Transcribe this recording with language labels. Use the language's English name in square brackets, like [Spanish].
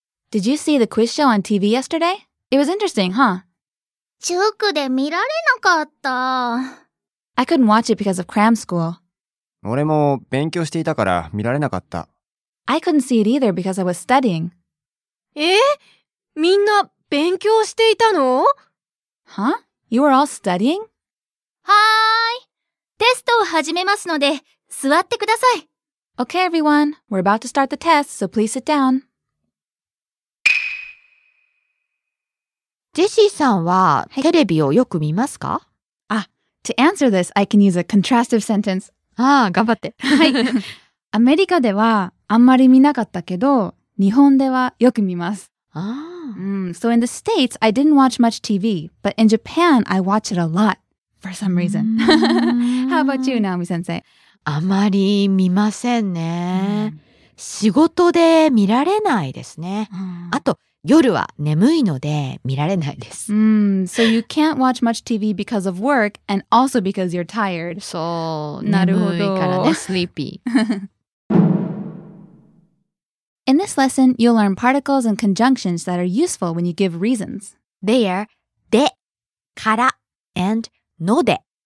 [English] Did you see the quiz show on TV yesterday? It was interesting, huh? [Japanese] 塾で見られなかった。 [English] I couldn't watch it because of cram school. [Japanese] 俺も勉強していたから見られなかった。 [English] I couldn't see it either because I was studying. [Japanese] え？みんな勉強していたの？ [English] Huh? You were all studying? [Japanese] はーい。テストを始めますので、座ってください。 [English] Okay, everyone. We're about to start the test, so please sit down. [Japanese] ジェシーさんはテレビをよく見ますか？ [English] To answer this, I can use a contrastive sentence. [Japanese] ああ、頑張って。はい。アメリカではあんまり見なかったけど、日本ではよく見ます。 [English] So in the States, I didn't watch much TV, but in Japan, I watch it a lot, for some reason. How about you, Naomi-sensei? [Japanese] あまり見ませんね。仕事で見られないですね。あと、夜は眠いので見られないです。 [English] So you can't watch much TV because of work and also because you're tired. [Japanese] そう、なるほど。眠いからね、 [English] sleepy. In this lesson, you'll learn particles and conjunctions that are useful when you give reasons. They are で、から、and ので。